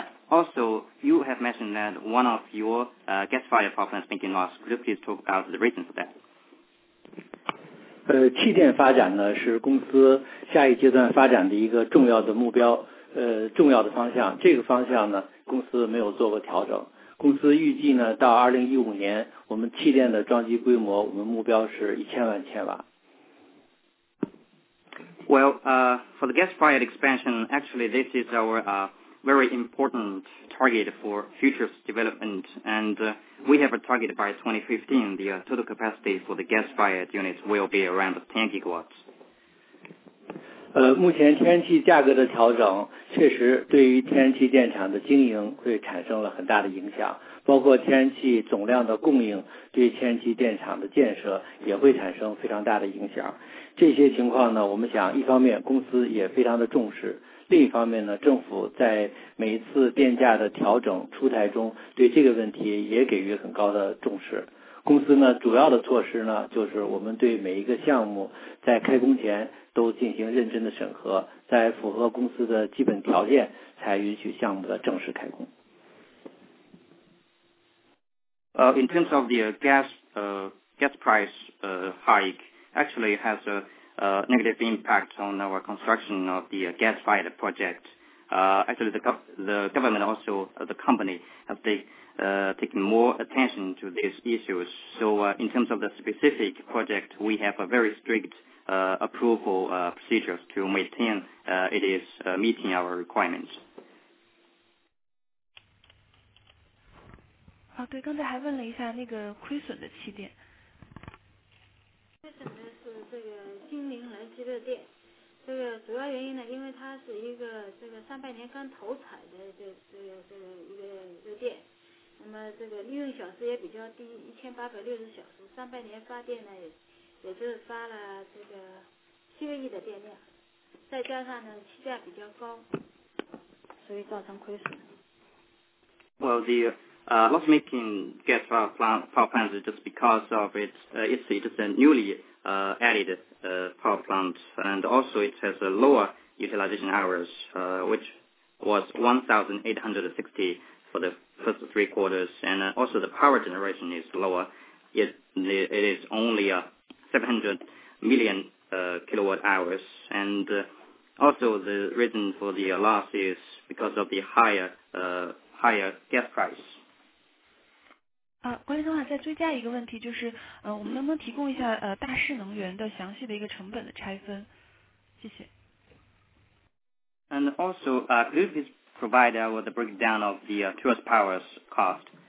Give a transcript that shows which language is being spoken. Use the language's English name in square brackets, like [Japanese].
[English] Also, you have mentioned that one of your gas-fired power plants making loss. Could you please talk about the reason for that? [Chinese] 气电发展呢是公司下一阶段发展的一个重要的目标，重要的方向。这个方向呢，公司没有做过调整。公司预计呢，到2015年，我们气电的装机规模，我们目标是1000万千瓦。 [English] Well, for the gas-fired expansion, actually this is our very important target for future development, and we have a target by 2015. The total capacity for the gas-fired units will be around 10 gigawatts. [Chinese] 目前天然气价格的调整确实对于天然气电厂的经营会产生了很大的影响，包括天然气总量的供应对天然气电厂的建设也会产生非常大的影响。这些情况呢，我们想一方面公司也非常的重视，另一方面呢，政府在每一次电价的调整出台中对这个问题也给予很高的重视。公司呢主要的措施呢，就是我们对每一个项目在开工前都进行认真的审核，在符合公司的基本条件才允许项目的正式开工。 [English] In terms of the gas price hike, actually has a negative impact on our construction of the gas-fired project. actually the government also the company have they taken more attention to these issues. So in terms of the specific project, we have a very strict approval procedures to maintain it is meeting our requirements. [Chinese] 啊，对，刚才还问了一下那个亏损的气垫。亏损的是这个金陵燃气热电，这个主要原因呢，因为它是一个这个上半年刚投产的这个一个热电，那么这个利用小时也比较低，1860小时，上半年发电呢也就是发了这个7个亿的电量，再加上呢气价比较高，所以造成亏损。 [English] Well, the loss-making gas power plant is just because of it's a newly added power plant, and also it has a lower utilization hours, which was 1,860 for the first three quarters, and also the power generation is lower. It is only 700 million kilowatt hours, and also the reason for the loss is because of the higher gas price. [Chinese] 啊，管理层好，再追加一个问题，就是我们能不能提供一下大势能源的详细的一个成本的拆分？谢谢。 [English] And also, could you please provide us with the breakdown of the Truss Power's cost?